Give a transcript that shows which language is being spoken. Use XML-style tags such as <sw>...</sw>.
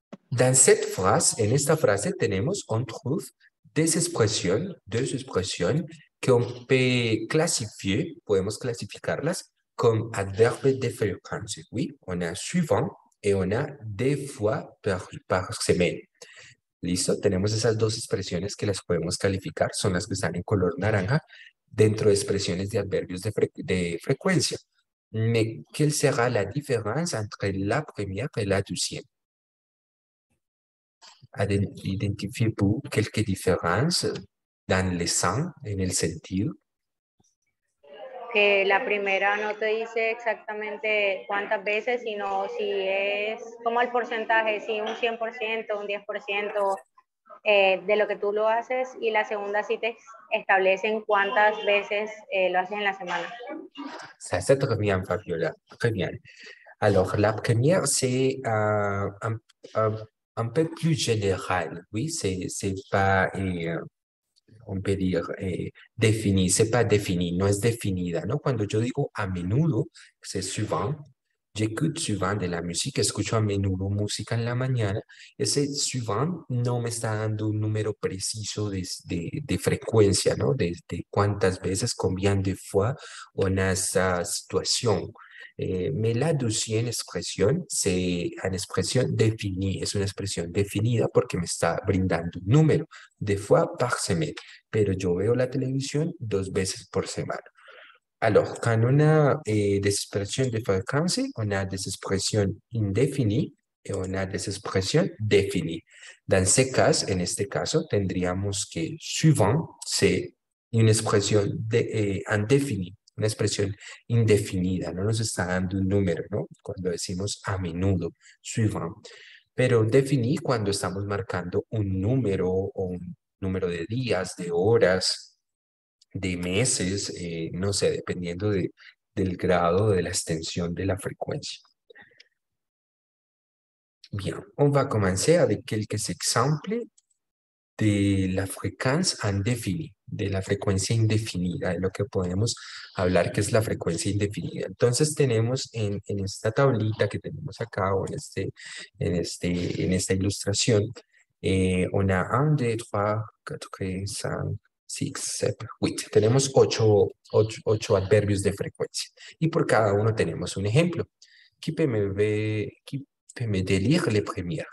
<fr>Dans cette phrase,</fr> <es>en esta frase, tenemos,</es> <fr>on trouve deux expressions que on peut classifier,</fr> <es>podemos clasificarlas</es> <fr>comme adverbes de fréquence. Oui, on a suivant et on a des fois par semaine.</fr> <es>Listo, tenemos esas dos expresiones que las podemos calificar, son las que están en color naranja dentro de expresiones de adverbios de frecuencia.</es> <fr>Mais quelle sera la différence entre la première et la deuxième? ¿Identifiez-vous quelques différences dans le sens,</fr> <es>en el sentido? Que la primera no te dice exactamente cuántas veces, sino si es como el porcentaje, si un 100%, un 10%, de lo que tú lo haces, y la segunda sí te establecen cuántas veces lo haces en la semana.</es> <fr>Ça, c'est très bien, Fabiola. Très bien. Alors, la première, c'est un peu plus général. Oui, c'est pas, on peut dire, défini. C'est pas défini,</fr> <es>no es definida. ¿No? Cuando yo digo a menudo,</es> <fr>c'est souvent. J'écoute souvent de la musique,</fr> <es>escucho a menudo música en la mañana. Ese souvent no me está dando un número preciso de frecuencia, ¿no? De cuántas veces,</es> <fr>combien de fois,</fr> <es>on a esa situación.</es> <fr>Mais la deuxième expression, c'est une expression définie.</fr> <es>Es una expresión definida porque me está brindando un número de</es> <fr>fois par semaine.</fr> <es>Pero yo veo la televisión dos veces por semana.</es> <fr>Alors, quand on a des expressions de fréquence, on a des expressions indéfinies et on a des expressions définies. Dans ce cas,</fr> <es>en este caso, tendríamos que</es> <fr>souvent, c'est une expression indéfinie, une expression indéfinie.</fr> <es>No nos está dando un número, ¿no? Cuando decimos a menudo, souvent. Pero définie, cuando estamos marcando un número o un número de días, de horas, de meses, no sé, dependiendo del grado de la extensión de la frecuencia.</es> <fr>Bien, on va commencer avec quelques exemples</fr> <es>de la fréquence indéfinie, de la frecuencia indefinida,</es> <fr>de lo que podemos hablar que es la frecuencia indefinida.</fr> <es>Entonces tenemos en esta tablita que tenemos acá, o en esta ilustración,</es> <fr>on a 1, 2, 3, 4, 5, 6, 7, 8.</fr> <es>Tenemos 8 adverbios de frecuencia. Y por cada uno tenemos un ejemplo.</es> <fr>Qui peut me délire le premier?</fr>